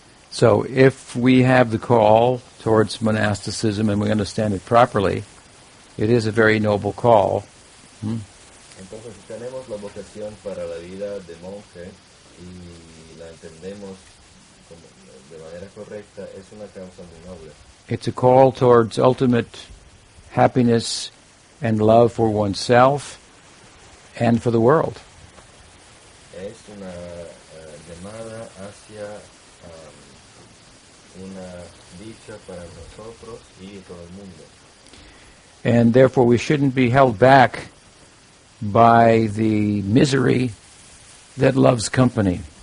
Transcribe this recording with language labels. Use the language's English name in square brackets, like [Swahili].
[English] So if we have the call towards monasticism and we understand it properly, it is a very noble call. [Spanish] Entonces, si tenemos la vocación para la vida de monje y la entendemos de manera correcta, es una causa muy noble. [English] It's a call towards ultimate happiness and love for oneself and for the world. [Spanish] Es una llamada hacia una dicha para nosotros y todo el mundo. [English] And therefore we shouldn't be held back by the misery that loves company.